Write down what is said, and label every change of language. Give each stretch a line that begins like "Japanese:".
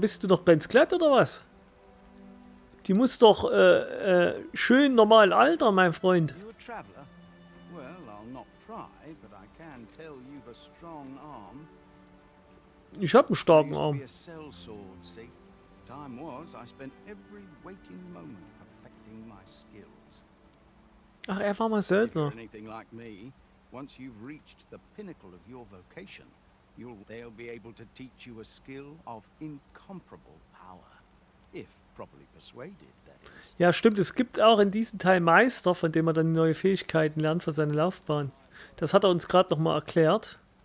German: Bist du noch ganz glatt oder was? Die muss doch schön normal altern, mein Freund.
English: You a traveler? Well, I'll not pry, but I can tell you've a strong arm.
German: Ich hab einen starken Arm.
English: I used to be a sellsword, see? Time was, I spent every waking moment perfecting my skills.
German: Ach, er war mal Söldner.
English: Anything like me, once you've reached the pinnacle of your vocation, they'll be able to teach you a skill of incomparable power, if properly persuaded, that is.
German: Ja, stimmt, es gibt auch in diesem Teil Meister, von dem man dann neue Fähigkeiten lernt für seine Laufbahn. Das hat er uns gerade noch mal erklärt.